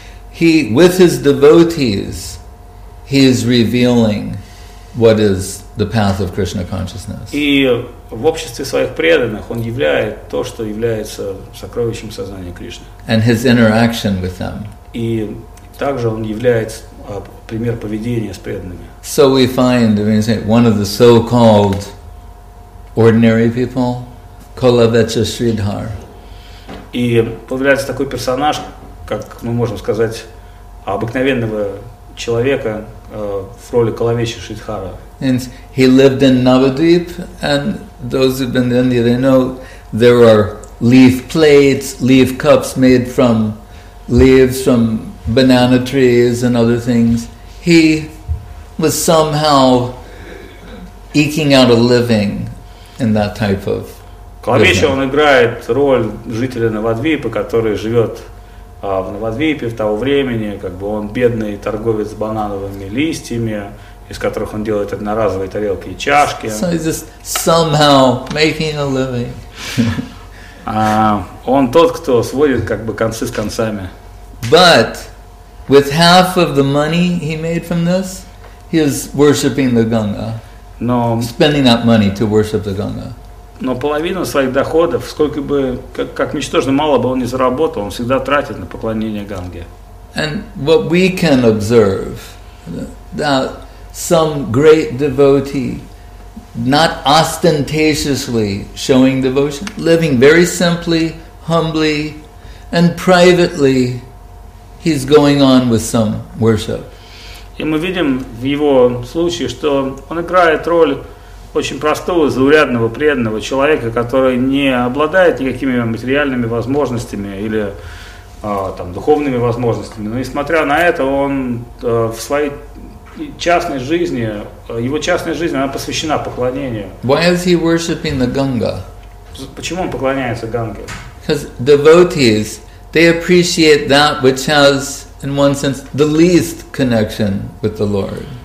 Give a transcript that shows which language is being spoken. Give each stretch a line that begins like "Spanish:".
English: He, with his devotees, he is revealing what is the path of Krishna consciousness.
Russian: И в обществе своих преданных он являет то, что является сокровищем сознания Кришны.
English: And his interaction with them.
Russian: И также он является пример поведения с преданными.
English: So we find, I mean, one of the so-called ordinary people, Kolavecha Sridhar.
Russian: И появляется такой персонаж, как мы можем сказать, обыкновенного человека в роли Калавечи Шридхара.
English: And he lived in Navadvip, and those who've been in India, they know there are leaf plates, leaf cups made from leaves from banana trees and other things. He was somehow eking out a living in that type of business.
Russian: Калавечи, он играет роль жителя Навадвипа, который живет в Навадвипе в того времени, как бы он бедный торговец с банановыми листьями, из которых он делает одноразовые тарелки и чашки.
English: So he's just somehow making a living.
Russian: Он тот, кто сводит как бы концы с концами.
English: But with half of the money he made from this, he is worshiping the Ganga.
Russian: Но
English: spending that money to worship the Ganga.
Russian: Но половину своих доходов, сколько бы, как ничтожно мало бы он не заработал, он всегда тратит на поклонение Ганге.
English: And what we can observe, that some great devotee, not ostentatiously showing devotion, living very simply, humbly, and privately, he's going on with some worship.
Russian: И мы видим в его случае, что он играет роль очень простого, заурядного, преданного человека, который не обладает никакими материальными возможностями или духовными возможностями. Но, несмотря на это, он в своей частной жизни, его частная жизнь, она посвящена поклонению.
English: Why is he worshiping the Ganga?
Russian: Почему он поклоняется Ганге?
English: Because devotees, they appreciate that which has, in one sense, the least connection with the Lord.